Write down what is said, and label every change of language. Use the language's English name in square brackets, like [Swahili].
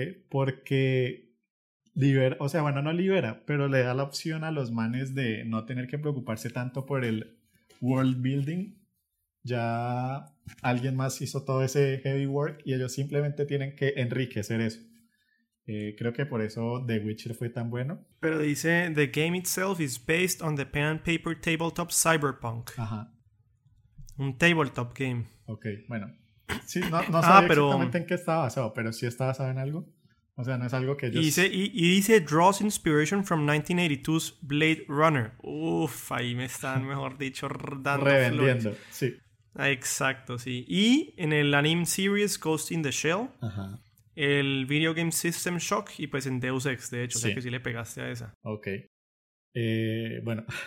[Spanish] Porque libera, o sea, bueno, no libera, pero le da la opción a los manes de no tener que preocuparse tanto por el world building. Ya alguien más hizo todo ese [English] heavy work [Spanish] y ellos simplemente tienen que enriquecer eso. Creo que por eso The Witcher fue tan bueno. Pero dice, [English] "The game itself is based on the pen and paper tabletop cyberpunk." [Spanish] Ajá. Un tabletop game. Ok, bueno. Sí, no, no Ah, sabía exactamente pero. en qué estaba basado, pero sí estaba basado en algo. O sea, no es algo que Y dice, ellos. [English] "Draws inspiration from 1982's Blade Runner." [Spanish] Uf, ahí me están, mejor dicho, dando flores. Revendiendo, sí. Exacto, sí. Y en el anime series Ghost in the Shell. Ajá. El Video Game System Shock y pues en Deus Ex, de hecho, o sea que sí Sí. le pegaste a esa. Ok. Bueno.